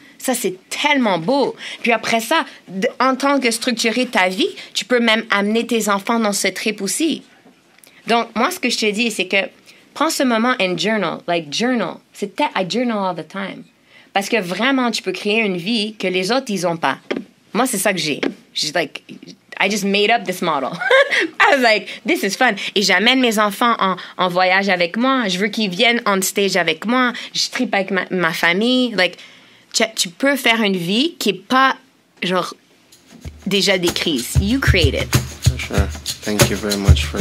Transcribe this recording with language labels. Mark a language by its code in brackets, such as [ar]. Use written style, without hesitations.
[fr] Ça, c'est tellement beau. Puis après ça, en tant que structurer ta vie, tu peux même amener tes enfants dans ce trip aussi. Donc, moi, ce que je te dis, c'est que prends ce moment [en] and journal. Like, journal. I journal all the time. [fr] Parce que vraiment, tu peux créer une vie que les autres, ils n'ont pas. Moi, c'est ça que j'ai. [en] Just like, I just made up this model. I was like, this is fun. [fr] Et j'amène mes enfants en voyage avec moi. Je veux qu'ils viennent [en] on stage [fr] avec moi. Je trip avec ma famille. Like, tu peux faire une vie qui n'est pas, genre, déjà décrite. [en] You create it. Thank you very much for